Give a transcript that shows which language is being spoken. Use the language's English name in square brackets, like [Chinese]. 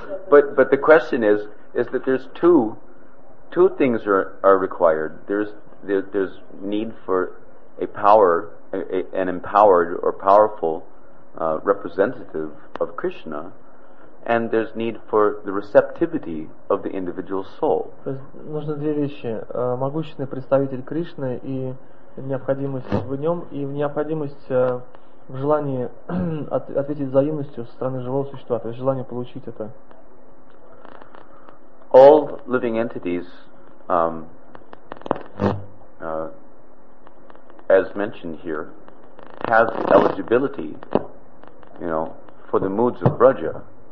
[English] But the question is that there's two things are required. There's need for a power, an empowered or powerful representative of Krishna, and there's need for the receptivity of the individual soul. [Russian] То есть нужно две вещи: могущественный представитель Кришны и необходимость в нем и необходимость в желании ответить взаимностью со стороны живого существа, то есть желание получить это. [English] All living entities, as mentioned here, have eligibility, you know, for the moods of Braja.